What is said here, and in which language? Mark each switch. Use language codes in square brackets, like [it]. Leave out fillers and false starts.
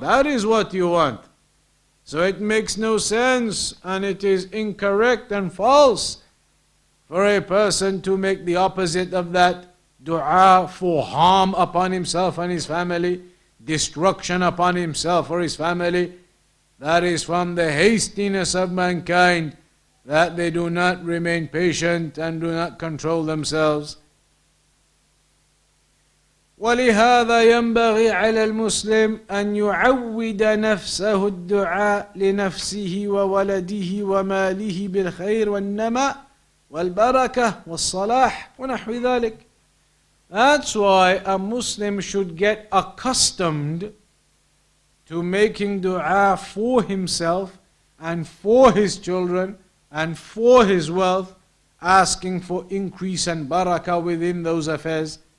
[en] That is what you want. So it makes no sense and it is incorrect and false for a person to make the opposite of that dua for harm upon himself and his family, destruction upon himself or his family. That is from the hastiness of mankind that they do not remain patient and do not control themselves. [ar] ولهذا ينبغي على المسلم أن يعود نفسه الدعاء لنفسه وولده وماله بالخير والنماء والبركة والصلاح ونحو ذلك. [en] That's why a Muslim should get accustomed to making dua for himself and for his children and for his wealth, asking for increase and barakah within those affairs.